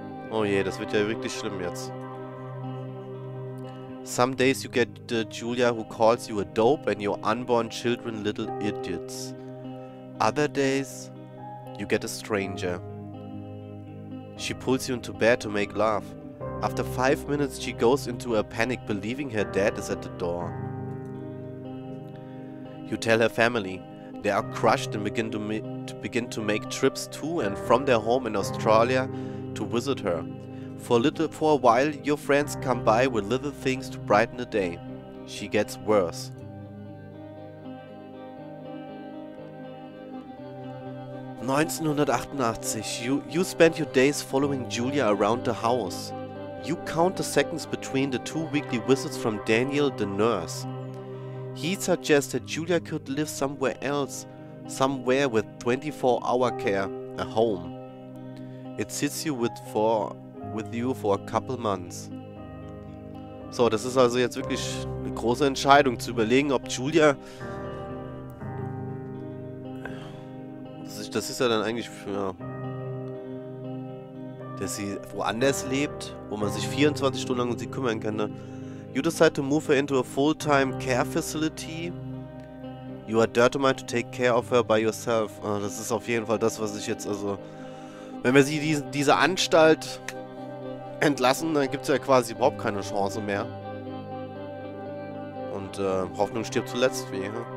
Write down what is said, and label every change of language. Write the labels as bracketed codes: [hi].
[de] Oh je, das wird ja wirklich schlimm jetzt. [en] Some days you get the Julia who calls you a dope and your unborn children little idiots. Other days you get a stranger. She pulls you into bed to make love. After 5 minutes she goes into a panic believing her dad is at the door. You tell her family. They are crushed and begin to make trips to and from their home in Australia to visit her. For a while, your friends come by with little things to brighten the day. She gets worse. You spend your days following Julia around the house. You count the seconds between the 2 weekly visits from Daniel, the nurse. He suggests that Julia could live somewhere else, somewhere with 24-hour care, a home. It sits you with you for a couple months. [de] So, das ist also jetzt wirklich eine große Entscheidung, zu überlegen, ob Julia... Das ist ja dann eigentlich für... Dass sie woanders lebt, wo man sich 24 Stunden lang um sie kümmern kann. Ne? [en] You decide to move her into a full-time care facility. You are determined to take care of her by yourself. [de] Oh, das ist auf jeden Fall das, was ich jetzt also... Wenn wir sie diese Anstalt... entlassen, dann gibt es ja quasi überhaupt keine Chance mehr. Und Hoffnung stirbt zuletzt weh. Hm?